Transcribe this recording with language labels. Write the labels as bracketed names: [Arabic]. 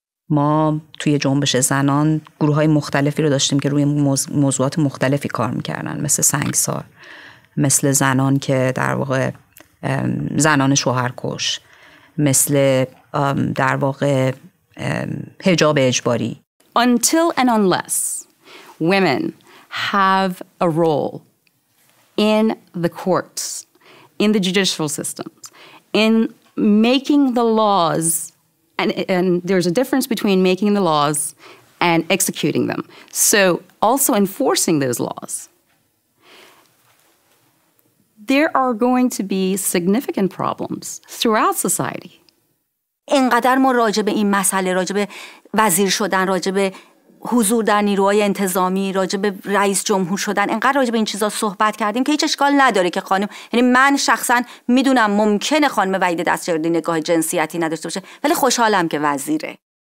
[Persian] ما توی جنبش زنان گروه های مختلفی رو داشتیم که روی موضوعات مختلفی کار میکردن مثل سنگسار مثل زنان که در واقع زنان شوهرکش مثل در واقع حجاب اجباری [English] Until and unless women have a role in the courts, in the judicial systems, in making the laws And there's a difference between making the laws and executing them. So also enforcing those laws. There are going to be significant problems throughout society. [Persian] اینقدر ما راجع به این مسئله راجع به وزیر شدن راجع به حضور در نیروهای انتظامی راجع به رئیس جمهور شدن اینقدر راجع به این چیزا صحبت کردیم که هیچ اشکال نداره که خانم یعنی من شخصا میدونم ممکنه خانم وحید دستجردی نگاه جنسیتی نداشته باشه ولی خوشحالم که وزیره